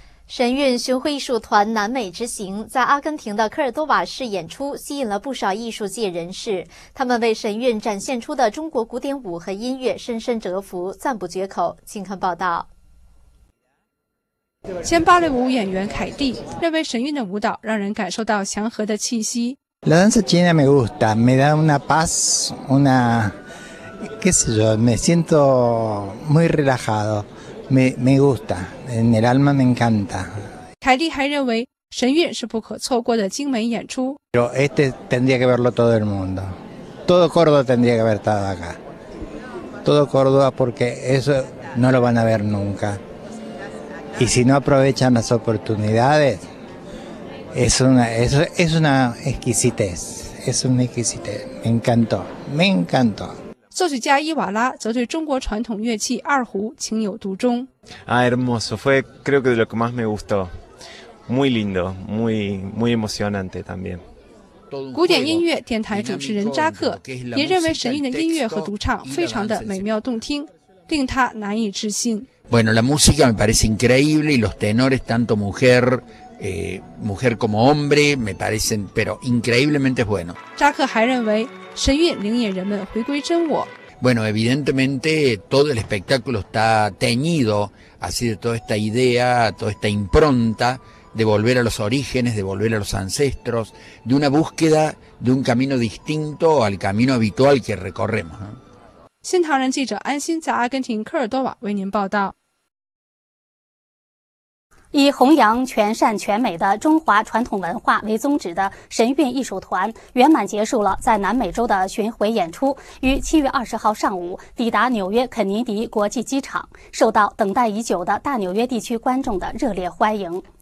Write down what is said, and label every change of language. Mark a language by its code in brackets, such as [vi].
[zh] 神韵巡回艺术团南美之行在阿根廷的科尔多瓦市演出，吸引了不少艺术界人士，他们为神韵展现出的中国古典舞和音乐深深折服，赞不绝口。请看报道。前芭蕾舞演员凯蒂认为神韵的舞蹈让人感受到祥和的气息。 [es] La danza china me gusta, me da una paz, una, qué sé yo, me siento muy relajado. Me gusta, en el alma me encanta. [zh] 凯蒂还认为神韵是不可错过的精美演出。 [es] Pero este tendría que verlo todo el mundo. Todo Córdoba tendría que haber estado acá. Todo Córdoba porque eso no lo van a ver nunca. Y si no aprovechan las oportunidades, es una exquisitez. Es una exquisitez. Me encantó, me encantó. [zh] 作曲家伊瓦拉则对中国传统乐器二胡情有独钟。 [es] Ah, hermoso, fue creo que de lo que más me gustó. Muy lindo, muy, muy emocionante también. [zh] 古典音乐电台主持人扎克也认为神韵的音乐和独唱非常的美妙动听，令他难以置信。 [es] Bueno, la música me parece increíble y los tenores, tanto mujer como hombre, me parecen, pero increíblemente bueno. [zh] 扎克还认为神韵领演人们回归真我。 [es] Bueno, evidentemente todo el espectáculo está teñido así de toda esta idea, toda esta impronta de volver a los orígenes, de volver a los ancestros, de una búsqueda de un camino distinto al camino habitual que recorremos. [zh] 新唐人记者安心在阿根廷科尔多瓦为您报道。以弘扬全善全美的中华传统文化为宗旨的神韵艺术团圆满结束了在南美洲的巡回演出，于7月20号上午抵达纽约肯尼迪国际机场，受到等待已久的大纽约地区观众的热烈欢迎。